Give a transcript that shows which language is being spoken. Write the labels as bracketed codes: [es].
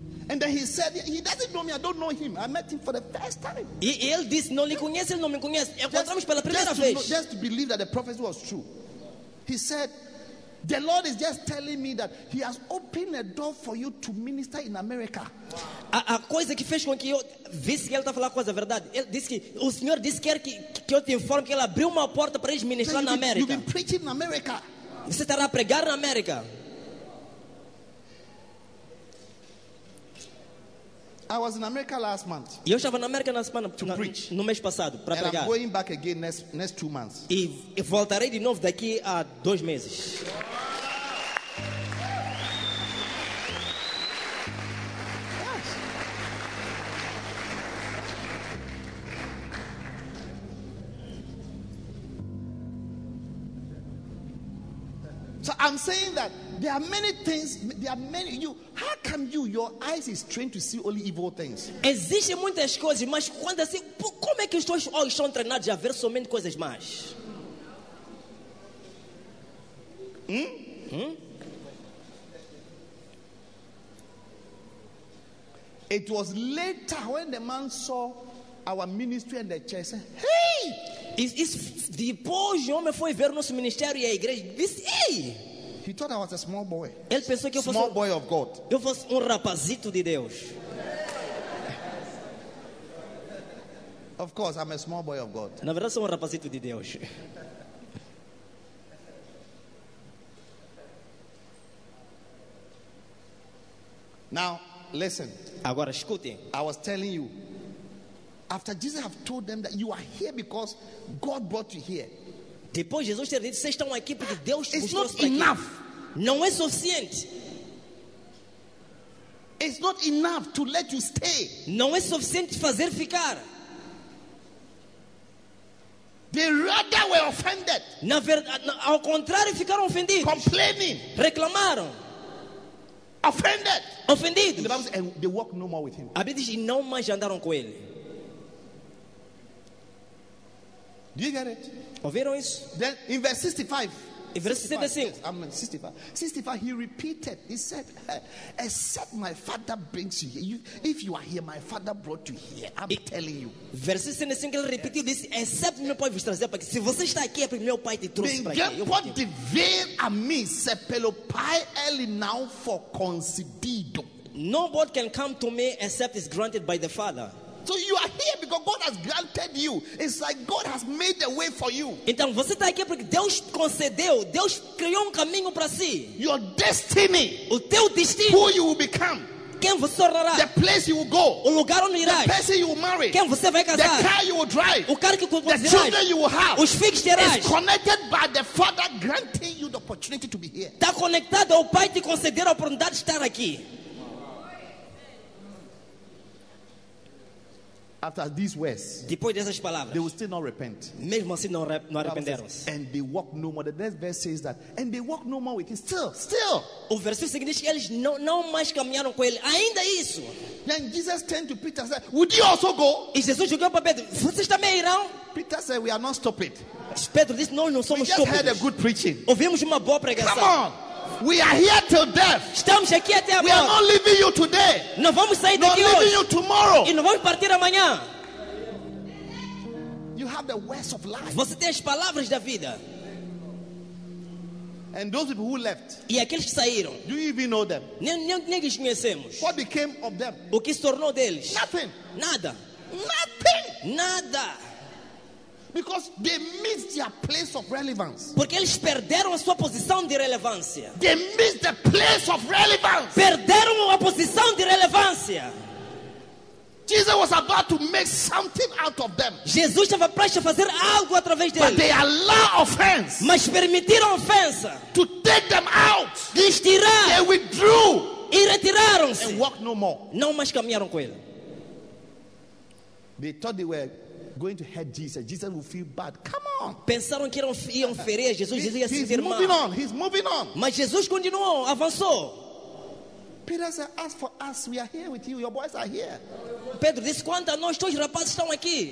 [en] And then he said, he doesn't know me, I don't know him. I met him for the first time. [pt] E ele disse, não lhe conheço, ele não me conhece. Encontramos pela primeira vez. [en] Just to believe that the prophecy was true. He said, the Lord is just telling me that he has opened a door for you to minister in America. [pt] A coisa que fez com que eu visse que ele está falando a coisa verdade. Ele disse que o Senhor disse que quer que eu te informe que ele abriu uma porta para eles ministrar na América. [en] You've been preaching in America. [pt] Você estará a pregar na América. [en] I was in America last month. [pt] Eu estava na América na semana [en] to preach. [pt] No mês passado para pregar. [en] I'm going back again next 2 months. [pt] E voltarei de novo daqui a 2 meses. [en] Yes. So I'm saying that there are many things. There are many you. How come you? Your eyes is trained to see only evil things. [pt] Existem muitas coisas, mas quando assim, como é que os teus olhos são treinados a ver somente coisas más? [en] It was later when the man saw our ministry and the church. Said, hey! [pt] Depois o homem foi ver nosso ministério e a igreja. Disse, hey! [en] He thought I was a small boy. [pt] Ele pensou que [en] small boy of God. [pt] Eu fosse rapazito de Deus. [en] Of course, I'm a small boy of God. [pt] Na verdade, sou rapazito de Deus. [en] Now, listen. [pt] Agora, escute. [en] I was telling you, after Jesus have told them that you are here because God brought you here. [pt] Depois Jesus ter dito, vocês estão aqui porque Deus [en] it's not enough. [pt] Não é suficiente. [en] It's not enough to let you stay. [pt] Não é suficiente fazer ficar. [en] They rather were offended. [pt] Na verdade, ao contrário, ficaram ofendidos. [en] Complaining. [pt] Reclamaram. [en] Offended. [pt] Ofendidos. [en] The Bible says, and they walk no more with him. [pt] A Bíblia diz, e não mais andaram com ele. [en] Do you get it? [pt] Ouviram isso? [en] Then, in verse 65. Verse 65, he repeated, he said, except my father brings you here, if you are here, my father brought you here, I'm telling you. Verse 65, [pt] ele repetiu, disse, except meu pai vos trazer, porque se você está aqui, é porque meu pai te trouxe para aqui. Ninguém pode vir a mim, se pelo pai ele não for concedido. [en] Nobody can come to me, except it's granted by the father. So you are here because God has granted you. It's like God has made a way for you. [pt] Então você está aqui porque Deus concedeu, Deus criou caminho para si. [en] Your destiny. [pt] O teu destino. [en] Who you will become. [pt] Quem você será? [en] The place you will go. [pt] O lugar onde irás. [en] The person you will marry. [pt] Quem você vai casar? [en] The car you will drive. [pt] O carro que conduzirás. [en] The children you will have. [pt] Os filhos terás. [en] It's connected by the Father granting you the opportunity to be here. [pt] Está conectado ao Pai te conceder a oportunidade de estar aqui. [en] After these words, [pt] depois dessas palavras, [en] they will still not repent. [pt] Mesmo assim, não arrependeram. [en] And they walk no more. The next verse says that, and they walk no more with him. Still. [pt] O versículo seguinte diz que eles não mais caminharam com ele. Ainda isso. [en] Then Jesus turned to Peter and said, "Would you also go?" [pt] E Jesus jogou para Pedro. Vocês também irão? [en] Peter said, "We are not stupid." [pt] Pedro disse, "Nós não somos [en] estúpidos." We just heard a good preaching. [pt] Ouvimos uma boa pregação. [en] Come on. We are here till death. [pt] Estamos aqui até a [en] we are not leaving you today. [pt] Não vamos sair daqui [en] not leaving You tomorrow. [pt] E não vamos partir amanhã. [en] You have the words of life. [pt] Você tem as palavras da vida. [en] And those people who left. [pt] E aqueles que saíram. [en] Do you even know them? [pt] Nem os conhecemos. [en] What became of them? [pt] O que se tornou deles? [en] Nothing. [pt] Nada. [en] Nothing. [pt] Nada. [en] Because they missed their place of relevance. [pt] Porque eles perderam a sua posição de relevância. [en] They missed the place of relevance. [pt] Perderam a posição de relevância. [en] Jesus was about to make something out of them. [pt] Jesus estava prestes a fazer algo através deles. [en] But they allowed offense. [pt] Mas permitiram ofensa. [en] To take them out. [pt] De estirar. [en] They withdrew. [pt] E retiraram-se. [en] And walked no more. [pt] Não mais caminharam com ele. [en] They thought they were going to hurt Jesus. Jesus will feel bad. Come on. [pt] Pensaram que iam ferir Jesus. Jesus ia se sentir mal. [en] He's moving on. [pt] Mas Jesus continuou, avançou. [en] Peter said, "As for us, we are here with you. Your boys are here." [pt] Pedro disse, "Quanto a nós, todos os rapazes estão aqui."